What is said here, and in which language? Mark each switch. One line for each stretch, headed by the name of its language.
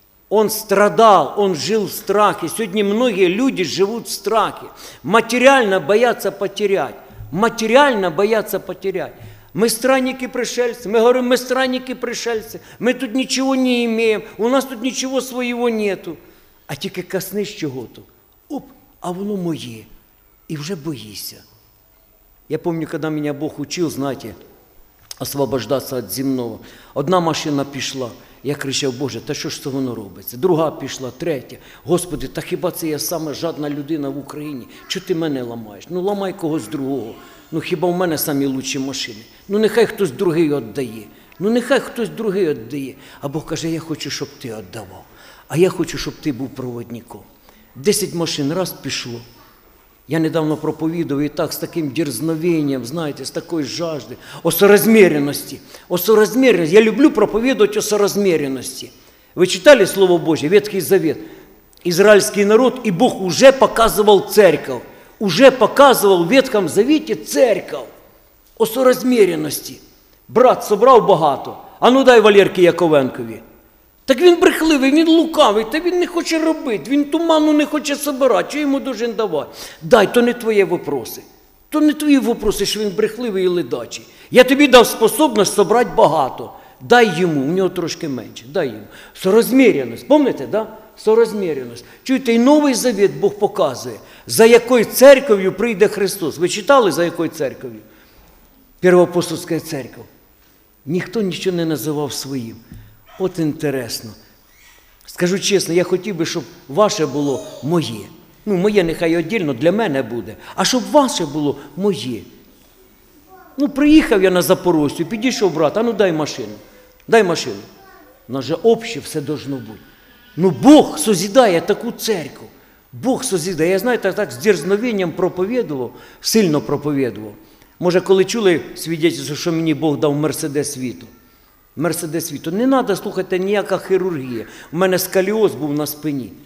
Russian: Он страдал, он жил в страхе. Сегодня многие люди живут в страхе. Материально боятся потерять. Материально боятся потерять. Мы странники-пришельцы, мы говорим, мы странники-пришельцы, мы тут ничего не имеем, у нас тут ничего своего нету.
Ukrainian: А тільки коснись чого-то, оп, а воно моє, и уже боїся.
Russian: Я помню, когда меня Бог учил, знаете, освобождаться от земного.
Ukrainian: Одна машина пішла, я кричав, Боже, та що ж це воно робиться? Друга пішла, третя, Господи, та хіба це я сама жадна людина в Україні? Чого ти мене ламаєш? Ну, ламай когось другого. Ну, хіба в мене самі лучші машини? Ну, нехай хтось другий віддає. Ну, нехай хтось другий віддає. А Бог каже, я хочу, щоб ти віддавав. А я хочу, щоб ти був проводником. 10 машин раз пішло. Я недавно проповідував і так, з таким дерзновенням, знаєте, з такою жаждою. О соразмєрності. О соразмєрності. Я люблю проповідувати о соразмєрності. Ви читали Слово Боже, Ветхий Завет? Ізраїльський народ, і Бог уже показував церкву.
Russian: Уже показывал в Ветхом Завете церковь о соразмеренности.
Ukrainian: Брат, собрал багато. А ну дай Валерке Яковенкові. Так він брехливий, він лукавий, та він не хоче робити, він туману не хоче собирати, що йому должен давати? Дай, то не твої вопроси. То не твої вопроси, що він брехливий і ледачий. Я тобі дав способність собрати багато. Дай йому, у нього трошки менше, дай йому.
Russian: Соразмеренность, помните, да? Соразмеренность.
Ukrainian: Чуєте, і Новий Завет Бог показує, за якою церковью прийде Христос. Ви читали, за якою церковью? Первоапостольська церква. Ніхто нічого не називав своїм. От інтересно. Скажу чесно, я хотів би, щоб ваше було моє. Ну, моє нехай віддільно для мене буде. А щоб ваше було моє. Ну, приїхав я на Запорозь, підійшов брат, а ну дай машину. Дай машину. У нас же обще все должно бути. Ну, Бог созидає таку церкву. Бог созидає. Я, знаєте, так з дерзновенням проповедував, сильно проповедував. Може, коли чули свідчення, що мені Бог дав мерседес Віту. Мерседес Віту. Не треба, слухайте, ніяка хірургія. У мене сколіоз був на спині.